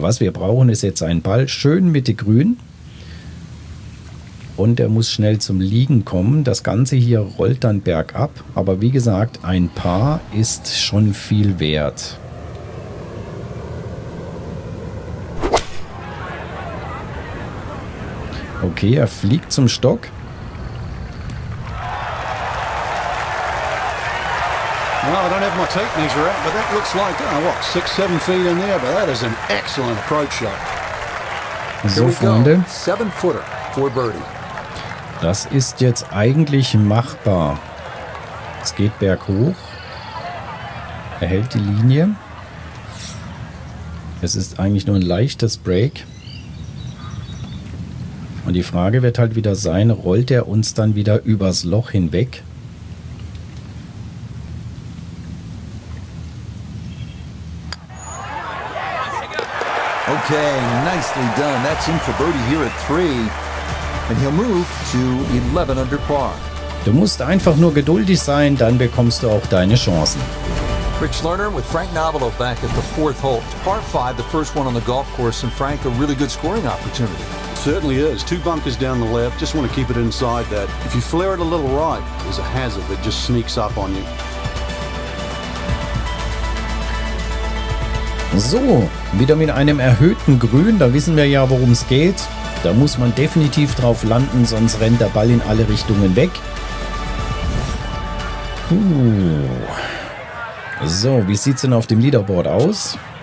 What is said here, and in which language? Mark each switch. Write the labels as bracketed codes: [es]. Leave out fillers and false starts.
[de] Was wir brauchen, ist jetzt einen Ball. Schön Mitte grün. Und er muss schnell zum Liegen kommen. Das Ganze hier rollt dann bergab. Aber wie gesagt, ein Paar ist schon viel wert. Okay, er fliegt zum Stock. [en] Well, I don't have my tape measure out, but that looks like, oh, what, 6-7 feet in there, but that is an excellent approach shot. [de] So, Freunde. [en] 7-footer for birdie. [de] Das ist jetzt eigentlich machbar. Es geht berghoch. Er hält die Linie. Es ist eigentlich nur ein leichtes Break. Und die Frage wird halt wieder sein, rollt er uns dann wieder übers Loch hinweg? [en] Okay, nicely done. That's in for birdie here at 3. And he'll move to 11 under par. [de] Du musst einfach nur geduldig sein, dann bekommst du auch deine Chancen. [en] Rich Lerner with Frank Navarro back at the fourth hole. Par 5, the first one on the golf course, and Frank, a really good scoring opportunity. Certainly is. Two bunkers down the left, just want to keep it inside that. If you flare it a little right, there's a hazard that just sneaks up on you. [de] So, wieder mit einem erhöhten Grün, da wissen wir ja, worum es geht. Da muss man definitiv drauf landen, sonst rennt der Ball in alle Richtungen weg. So, wie sieht es denn auf dem Leaderboard aus?